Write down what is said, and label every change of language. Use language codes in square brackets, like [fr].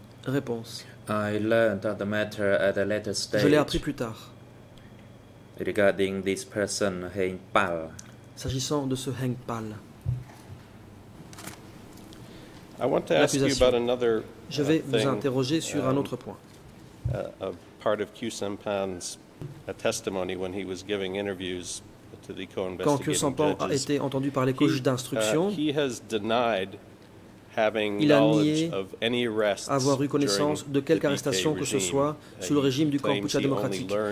[fr] Réponse. Je l'ai appris plus tard. [en] Regarding this person, Heng Pal. [fr] S'agissant de ce Heng Pal. [en] I want to ask you about another, [fr] je vais vous interroger sur un autre point. [en] A part of Q Sampan's testimony when he was giving interviews to the co-investigating judges. [fr] Quand Q Sampan a été entendu par les juges d'instruction, [en] he has denied having knowledge of any arrests [fr] avoir eu connaissance de quelque arrestation que ce soit sous le régime du Kampuchea démocratique.